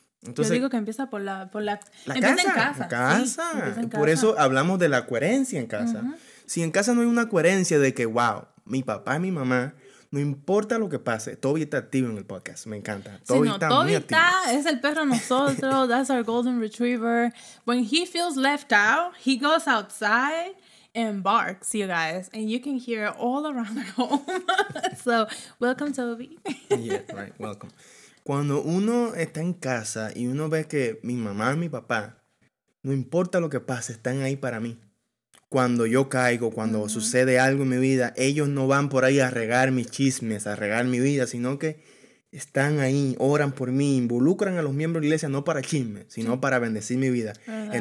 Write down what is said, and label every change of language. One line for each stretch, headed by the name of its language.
Spanish: Entonces, yo digo que empieza por la empieza casa. En casa. Sí, empieza en casa. Por eso hablamos de la coherencia en casa. Uh-huh. Si en casa no hay una coherencia de que, wow, mi papá y mi mamá, no importa lo que pase, Toby está activo en el podcast. Me encanta. Toby está, es el perro nosotros.
English: That's our golden retriever. When he feels left out, he goes outside and barks, you guys. And you can hear it all around our home. So, welcome, Toby. Yeah, right. Welcome.
Spanish: Cuando uno está en casa y uno ve que mi mamá y mi papá, no importa lo que pase, están ahí para mí. Cuando yo caigo, cuando sucede algo en mi vida, ellos no van por ahí a regar mis chismes, a regar mi vida, sino que están ahí, oran por mí, involucran a los miembros de la iglesia no para chisme, sino para bendecir mi vida. ¿Verdad?